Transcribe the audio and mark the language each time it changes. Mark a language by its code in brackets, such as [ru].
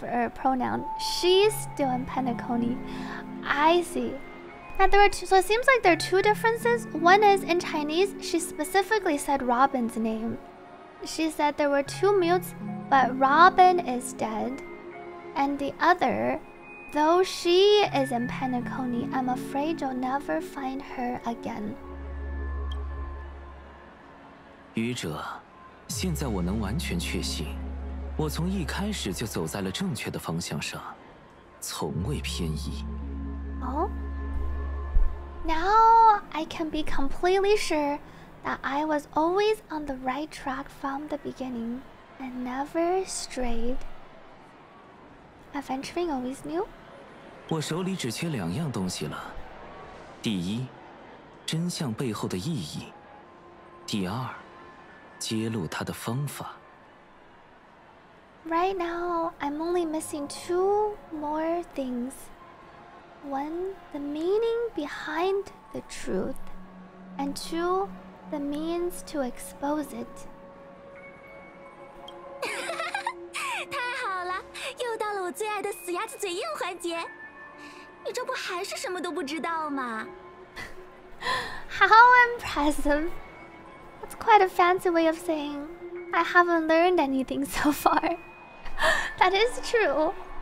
[en] pronoun She's still in Panacone I see Now there were two, So it seems like there are two differences One is in Chinese She specifically said Robin's name She said there were two mutes But Robin is dead And the otherThough she is in Panacone, I'm afraid you'll never find her again. [zh] 愚者，现在我能完全确信，我从一开始就走在了正确的方向上，从未偏移。 [en] Oh? Now I can be completely sure that I was always on the right track from the beginning and never strayed. Aventurine always knew? [zh] 我手里只缺两样东西了，第一，真相背后的意义；第二，揭露它的方法。 [en] Right now, I'm only missing two more things. One, the meaning behind the truth, and two, the means to expose it. [zh] 太好了，又到了我最爱的死鸭子嘴硬环节。你这不还是什么都不知道吗 [en] How impressive That's quite a fancy way of saying I haven't learned anything so far. That is true.